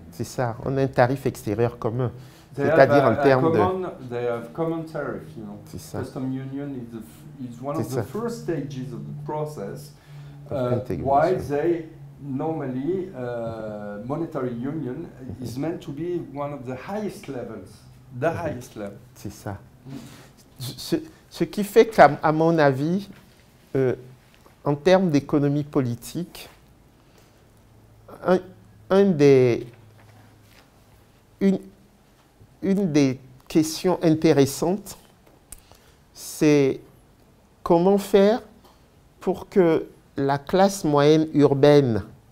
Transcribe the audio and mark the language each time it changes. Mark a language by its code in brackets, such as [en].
[fr] C'est ça, on a un tarif extérieur commun. C'est-à-dire en termes de... [en] They have common tariff, you know. [fr] C'est ça. [en] Custom union is one of the first stages of the process. Why they normally, monetary union is meant to be one of the highest levels. The highest level. [fr] C'est ça. Ce qui fait qu'à mon avis, en termes d'économie politique, une des questions intéressantes, c'est comment faire pour que la classe moyenne urbaine